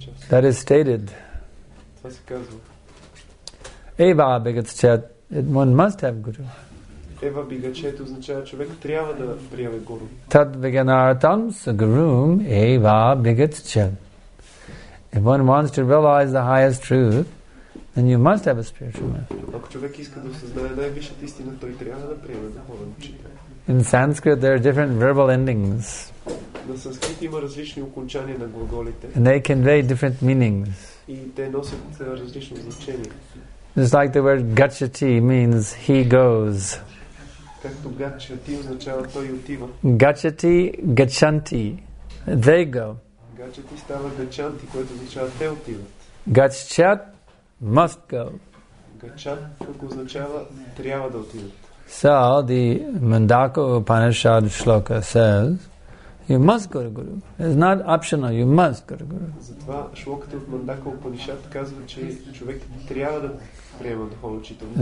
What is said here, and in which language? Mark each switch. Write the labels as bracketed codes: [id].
[en] That is stated. Eva Bhagatschet, one must have Guru. [bg] Eva Bhagatschet означава човек трябва да приеме Гуру. [sa] Тад Виганартам Сагарум Ева Бхагатчет. [en] If one wants to realize the highest truth, then you must have a spiritual master. [bg] Ако човек иска да осъзнае най-висшата истина, той трябва да приеме духовен учител. [en] In Sanskrit, there are different verbal endings. [bg] На санскрит има различни окончания на глаголите. [en] And they convey different meanings. [bg] И те носят различно значение. [en] It's like the word Gacchati means he goes. [bg] Както гачати означава той отива. [en] Гачати, гачанти. They go. [bg] Гачати става гачанти, което означава те отиват. [en] Гачат must go. [bg] Гачат тук означава трябва да отиват. [en] So the Mandaka Upanishad Shloka says, you must go to Guru. It's not optional, you must go to Guru. [bg] Затова шлоката от Мандака Упанишад казва, че човек трябва да приема духовно учителство.